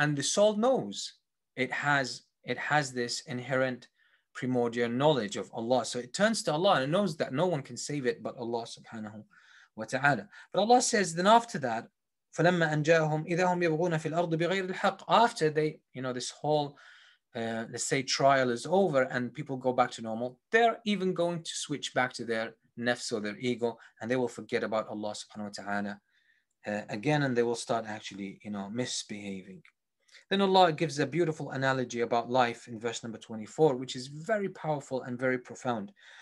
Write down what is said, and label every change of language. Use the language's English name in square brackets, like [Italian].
[English] And the soul knows it has this inherent primordial knowledge of Allah. So it turns to Allah and it knows that no one can save it but Allah subhanahu wa ta'ala. But Allah says then after that, [Arabic] فَلَمَّا أَنْجَاهُمْ إِذَا هُمْ يَبْغُونَ فِي الْأَرْضِ بِغَيْرِ الْحَقِّ. [English] After they, this whole, trial is over and people go back to normal, they're even going to switch back to their nafs or their ego, and they will forget about Allah subhanahu wa ta'ala again, and they will start actually, misbehaving. Then Allah gives a beautiful analogy about life in verse number 24, which is very powerful and very profound.